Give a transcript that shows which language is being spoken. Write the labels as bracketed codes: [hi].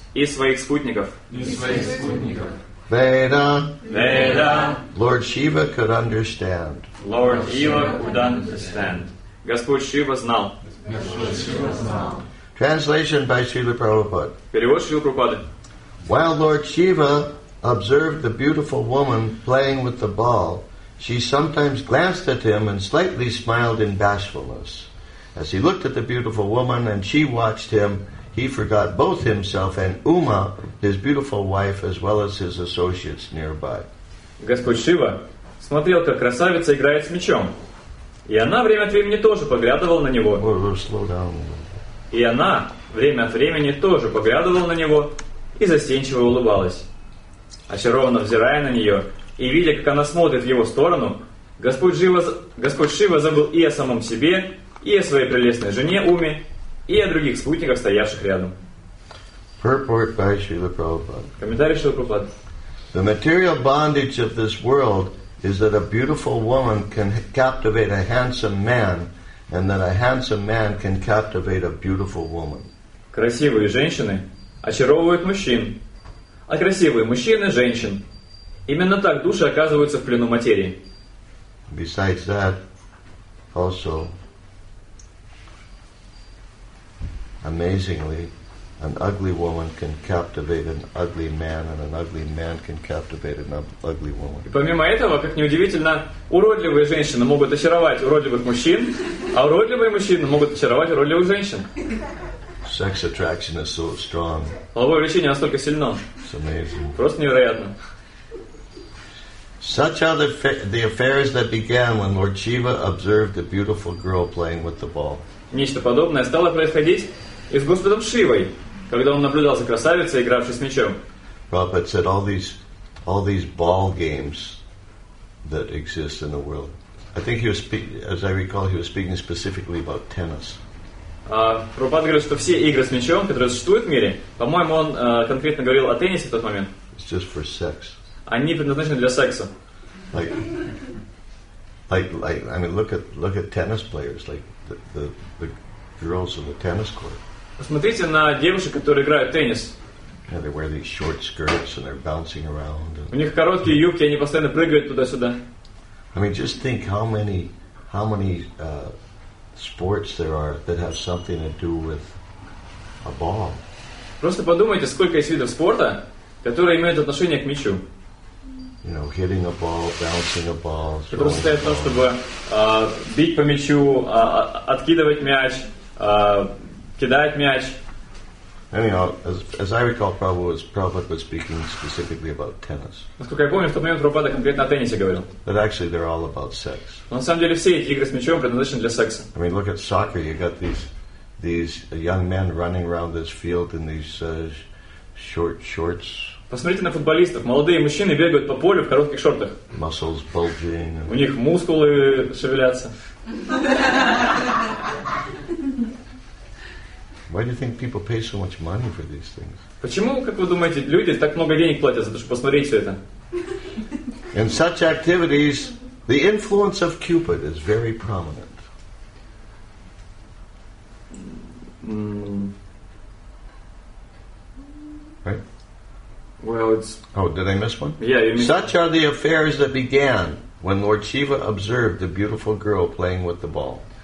[ru] И своих спутников. И своих спутников. Veda. Veda. [en] Lord Shiva could understand. Lord Shiva could understand. [ru] Господь Шива знал. [en] Translation by Srila Prabhupada. [ru] Перевод Шрилы Прабхупады. [en] While Lord Shiva observed the beautiful woman playing with the ball, she sometimes glanced at him and slightly smiled in bashfulness. As he looked at the beautiful woman and she watched him, he forgot both himself and Uma, his beautiful wife, as well as his associates nearby. [ru] Господь Шива смотрел, как красавица играет с мечом. И она время от времени тоже поглядывала на него. И она время от времени тоже поглядывала на него и застенчиво улыбалась. Очарованно взирая на нее и видя, как она смотрит в его сторону, Господь Шива забыл и о самом себе, и о своей прелестной жене Уме, и о других спутниках, стоявших рядом. Комментарий Шрилы Прабхупады. [en] The material bondage of this world is that a beautiful woman can captivate a handsome man, and that a handsome man can captivate a beautiful woman. [ru] Красивые женщины очаровывают мужчин, а красивые мужчины – женщин. Именно так души оказываются в плену материи. [en] Besides that, also, amazingly, an ugly woman can captivate an ugly man, and an ugly man can captivate an ugly woman. [ru] И помимо этого, как неудивительно, уродливые женщины могут очаровать уродливых мужчин, а уродливые мужчины могут очаровать уродливых женщин. [en] Sex attraction is so strong. [ru] Половое влечение настолько сильно. [en] It's amazing. [ru] Просто невероятно. [en] Such are the affairs that began when Lord Shiva observed a beautiful girl playing with the ball. [ru] Нечто подобное стало происходить и с Господом Шивой, когда он наблюдал за красавицей, игравшей с мечом. [en] Prabhupada said all these ball games that exist in the world. I think he was speaking specifically about tennis. [ru] Prabhupada говорит, что все игры с мечом, которые существуют в мире, по-моему, он конкретно говорил о теннисе в тот момент. [en] It's just for sex. [ru] Они предназначены для секса. [en] Look at tennis players, like the girls on the tennis court. [ru] Посмотрите на девушек, которые играют в теннис. [en] Yeah, they wear these short skirts and they're bouncing around. [ru] У них короткие юбки, они постоянно прыгают туда-сюда. [en] I mean, just think how many sports there are that have something to do with a ball. [ru] Просто подумайте, сколько есть видов спорта, которые имеют отношение к мячу. [en] You know, hitting a ball, bouncing a ball. [ru] Это состоит в том, чтобы бить по мячу, откидывать мяч. Кидать мяч. [en] Anyhow, as I recall, Prabhupada was speaking specifically about tennis. [ru] Насколько я помню, в тот момент Прабхупада конкретно о теннисе говорил. [en] But actually, they're all about sex. [ru] Но на самом деле все эти игры с мячом предназначены для секса. [en] I mean, look at soccer. You got these young men running around this field in these short shorts. [ru] Посмотрите на футболистов. Молодые мужчины бегают по полю в коротких шортах. [en] Muscles bulging. [ru] У них мускулы шевелятся. [en] Why do you think people pay so much money for these things? [ru] Почему, как вы думаете, люди так много денег платят за то, чтобы посмотреть все это? [en] In such activities, the influence of Cupid is very prominent. Right? Well, it's... Oh, did I miss one? Yeah, you mean... Such are the affairs that began when Lord Shiva observed the beautiful girl playing with the ball.